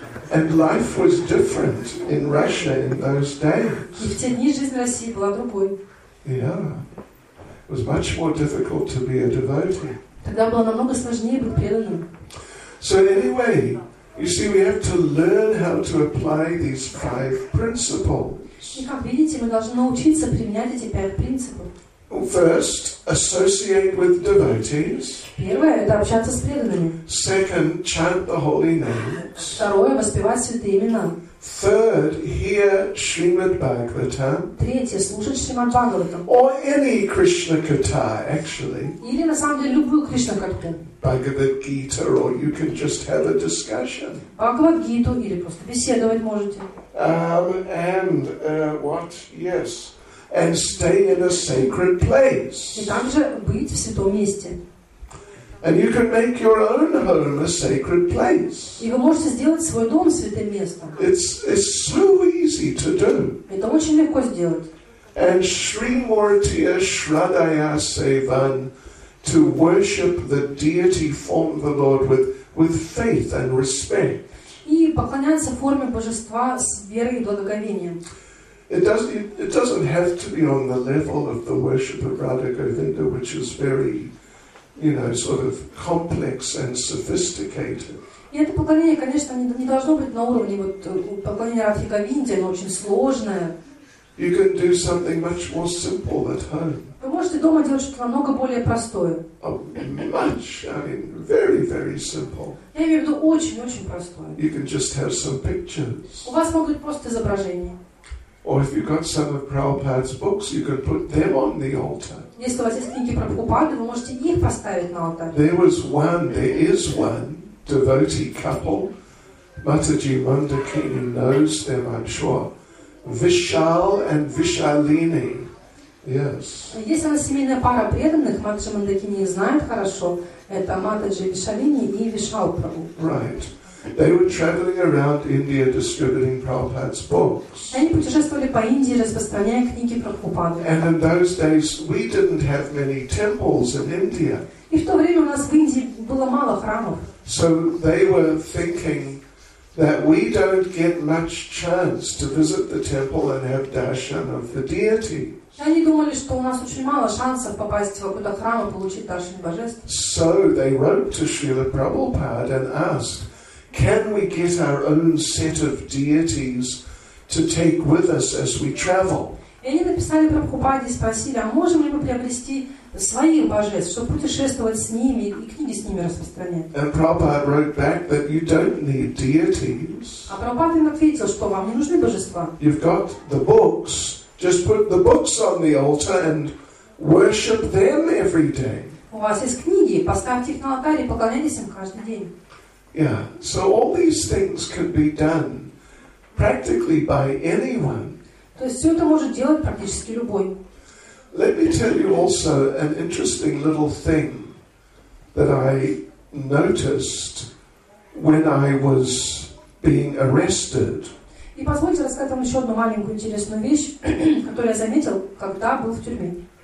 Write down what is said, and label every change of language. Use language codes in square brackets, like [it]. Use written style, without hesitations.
[en] And life was different in Russia in those days. [ru] И в те дни жизнь в России была другой. [en] Yeah. It was much more difficult to be a devotee. [ru] Тогда было намного сложнее быть преданным. [en] So anyway, you see, we have to learn how to apply these five principles. [ru] И как видите, мы должны научиться применять эти пять принципов. [en] First, associate with devotees. [ru] Первое – это общаться с преданными. [en] Second, chant the holy names. [ru] Второе – воспевать святые имена. [en] Third, hear Srimad Bhagavatam. [ru] Третье – слушать Шримад Бхагаватам. [en] Or any Krishna Katha, actually. [ru] Или на самом деле любую Кришна Катху. [en] Bhagavad Gita, or you can just have a discussion. [ru] Bhagavad Gita, или просто беседовать можете. [en] And stay in a sacred place. [ru] И также быть в святом месте. [en] And you can make your own home a sacred place. [ru] И вы можете сделать свой дом святым местом. [en] It's so easy to do. [ru] Это очень легко сделать. [sa] And Shrimurtiya Shradaya Sevan. [en] To worship the deity form of the Lord with faith and respect. [ru] И поклоняться форме божества с верой и благоговением. [en] It doesn't have to be on the level of the worship of Radha Govinda, which is very, you know, sort of complex and sophisticated. [ru] И это поклонение, конечно, не должно быть на уровне вот поклонения Радхе Говинде, но очень сложное. [en] You can do something much more simple at home. [ru] Вы можете дома делать что-то намного более простое. [en] Very, very simple. [ru] Я имею в виду очень-очень простое. [en] You can just have some pictures. [ru] У вас могут быть просто изображения. [en] Or if you've got some of Prabhupada's books, you can put them on the altar. [ru] Если у вас есть книги Прабхупады, вы можете их поставить на алтарь. [en] There is one devotee couple. Mataji Mandakini knows them, I'm sure. Vishal and Vishalini. Yes. [ru] Есть одна семейная пара преданных, Матаджи Мандакини их знает хорошо. Это Матаджи Вишалини и Вишал Прабху. [en] Right. They were traveling around India distributing Prabhupada's books. [ru] Они путешествовали по Индии, распространяя книги Прабхупады. [en] And in those days we didn't have many temples in India. [ru] И в то время у нас в Индии было мало храмов. [en] So they were thinking that we don't get much chance to visit the temple and have darshan of the deity. [ru] Они думали, что у нас очень мало шансов попасть в какой-то храм и получить даршан божеств. [en] So they wrote to Srila Prabhupada and asked, can we get our own set of deities to take with us as we travel? [ru] И они написали Прабхупаде и спросили, а можем ли мы приобрести своих божеств, чтобы путешествовать с ними и книги с ними распространять? [en] And Prabhupada wrote back that you don't need deities. [ru] А Прабхупада им ответил, что вам не нужны божества. [en] You've got the books. Just put the books on the altar and worship them every day. [ru] У вас есть книги, поставьте их на алтарь и поклоняйтесь им каждый день. [en] Yeah, so all these things could be done practically by anyone. [ru] То есть все это может делать практически любой. [en] Let me tell you also an interesting little thing that I noticed when I was being arrested. [ru] И позвольте рассказать вам еще одну маленькую интересную вещь, которую я заметил, когда был в тюрьме.